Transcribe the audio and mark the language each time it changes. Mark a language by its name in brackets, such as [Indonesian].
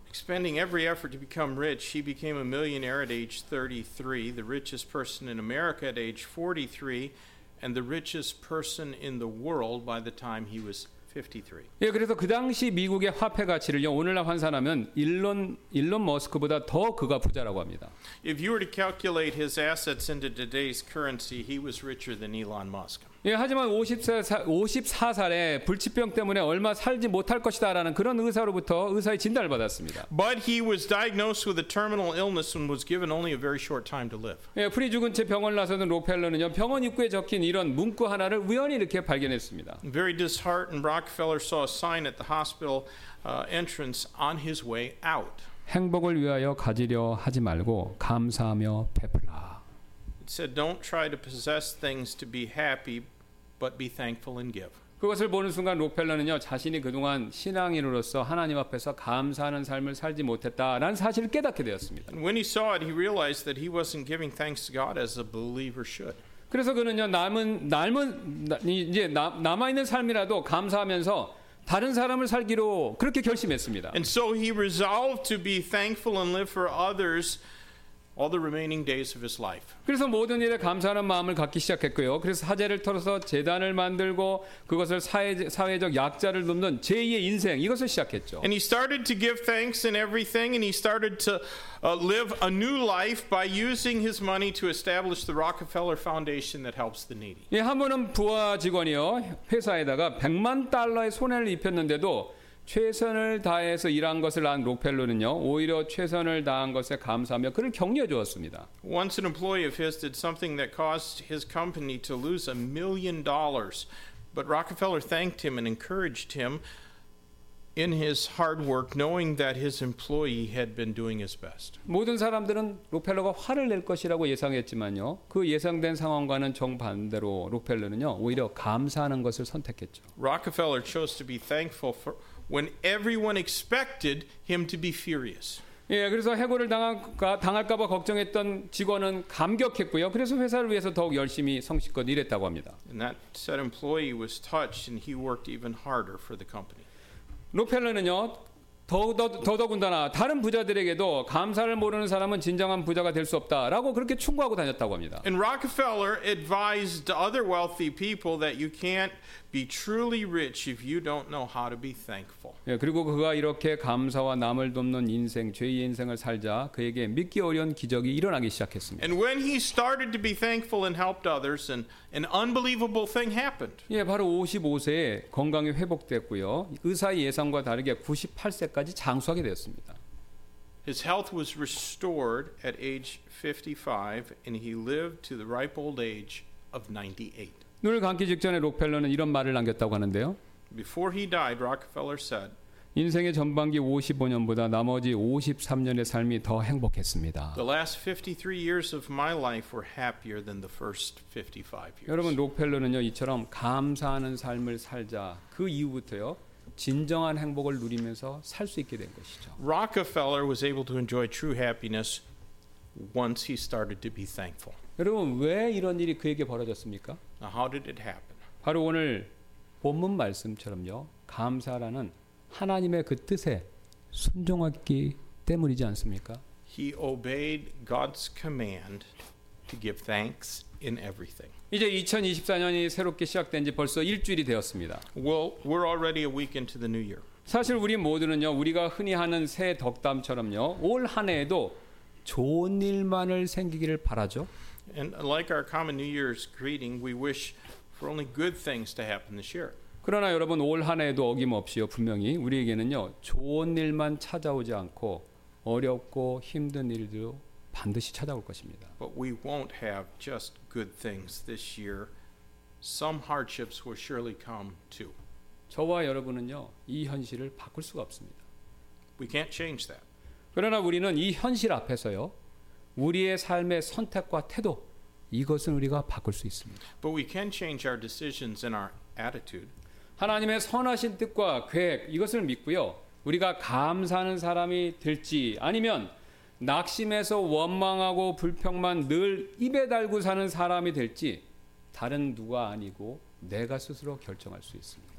[English] expending every effort to become rich he became a millionaire at age 33 the richest person in America at age 43 and the richest person in the world by the time he was 53. [Korean] 예, 그래서 그 당시 미국의 화폐 가치를요 오늘날 환산하면 일론 머스크보다 더 그가 부자라고 합니다. [English] If you were to calculate his assets into today's currency, he was richer than Elon Musk. [Korean] 예, 하지만 54살에 불치병 때문에 얼마 살지 못할 것이다라는 그런 의사로부터 의사의 진단을 받았습니다. [English] But he was diagnosed with a terminal illness and was given only a very short time to live. [Korean] 예, 풀이 죽은 채 병원 나서는 록펠러는요 병원 입구에 적힌 이런 문구 하나를 우연히 이렇게 발견했습니다. [English] Very disheartened, Rockefeller saw a sign at the hospital entrance on his way out. [Korean] 행복을 위하여 가지려 하지 말고 감사하며 베풀라. [English] Said, "Don't try to possess things to be happy, but be thankful and give." [Korean] 그것을 보는 순간 록펠러는요 자신이 그동안 신앙인으로서 하나님 앞에서 감사하는 삶을 살지 못했다라는 사실을 깨닫게 되었습니다. [English] And when he saw it, he realized that he wasn't giving thanks to God as a believer should. [Korean] 그래서 그는요 남아 있는 삶이라도 감사하면서 다른 사람을 살기로 그렇게 결심했습니다. [English] And so he resolved to be thankful and live for others. All the remaining days of his life. [Korean] 그래서 모든 일에 감사하는 마음을 갖기 시작했고요. 그래서 사제를 털어서 재단을 만들고 그것을 사회적 약자를 돕는 제2의 인생 이것을 시작했죠. [English] And he started to give thanks in everything, and he started to live a new life by using his money to establish the Rockefeller Foundation that helps the needy. [Korean] 예, 한 번은 부하 직원이요 회사에다가 100만 달러의 손해를 입혔는데도. 최선을 다해서 일한 것을 안 록펠러는요 오히려 최선을 다한 것에 감사하며 그를 격려 주었습니다. [English] Once an employee of his did something that caused his company to lose $1 million, but Rockefeller thanked him and encouraged him in his hard work, knowing that his employee had been doing his best. [Korean] 모든 사람들은 록펠러가 화를 낼 것이라고 예상했지만요 그 예상된 상황과는 정반대로 록펠러는요 오히려 감사하는 것을 선택했죠. [English] Rockefeller chose to be thankful for when everyone expected him to be furious. [Korean] 예, 그래서 해고를 당할까 봐 걱정했던 직원은 감격했고요. 그래서 회사를 위해서 더욱 열심히 성실껏 일했다고 합니다. [English] And that said employee was touched and he worked even harder for the company. [Korean] 록펠러는요. 더더군다나 다른 부자들에게도 감사를 모르는 사람은 진정한 부자가 될 수 없다라고 그렇게 충고하고 다녔다고 합니다. [English] And Rockefeller advised other wealthy people that you can't be truly rich if you don't know how to be thankful. [Korean] 예, 그리고 그가 이렇게 감사와 남을 돕는 인생, 죄의 인생을 살자 그에게 믿기 어려운 기적이 일어나기 시작했습니다. [English] And when he started to be thankful and helped others, an unbelievable thing happened. [Korean] 예, 바로 55세에 건강이 회복됐고요. 의사의 예상과 다르게 98세까지 장수하게 되었습니다. [English] His health was restored at age 55 and he lived to the ripe old age of 98. [Korean] 눈을 감기 직전에 록펠러는 이런 말을 남겼다고 하는데요. [English] Before he died, Rockefeller said, [Korean] 인생의 전반기 55년보다 나머지 53년의 삶이 더 행복했습니다. [English] The last 53 years of my life were happier than the first 55 years. [Korean] 여러분 록펠러는요 이처럼 감사하는 삶을 살자 그 이후부터요 진정한 행복을 누리면서 살 수 있게 된 것이죠. [English] Rockefeller was able to enjoy true happiness once he started to be thankful. [Korean] 여러분 왜 이런 일이 그에게 벌어졌습니까? [English] Now, how did it happen? [Korean] 바로 오늘 본문 말씀처럼요. 감사라는 하나님의 그 뜻에 순종했기 때문이지 않습니까? [English] He obeyed God's command to give thanks in everything. [Korean] 이제 2024년이 새롭게 시작된 지 벌써 일주일이 되었습니다. [English] Well, we're already a week into the new year. [Korean] 사실 우리 모두는요. 우리가 흔히 하는 새해 덕담처럼요. 올 한 해에도 좋은 일만을 생기기를 바라죠. [English] And like our common New Year's greeting, we wish for only good things to happen this year. [Korean] 그러나 여러분 올 한 해에도 어김없이요 분명히 우리에게는요 좋은 일만 찾아오지 않고 어렵고 힘든 일도 반드시 찾아올 것입니다. [English] But we won't have just good things this year. Some hardships will surely come too. [Korean] 저와 여러분은요 이 현실을 바꿀 수가 없습니다. [English] We can't change that. [Korean] 그러나 우리는 이 현실 앞에서요 우리의 삶의 선택과 태도 이것은 우리가 바꿀 수 있습니다. [English] But we can change our decisions and our attitude. [Korean] 하나님의 선하신 뜻과 계획 이것을 믿고요. 우리가 감사하는 사람이 될지 아니면 낙심해서 원망하고 불평만 늘 입에 달고 사는 사람이 될지 다른 누가 아니고 내가 스스로 결정할 수 있습니다.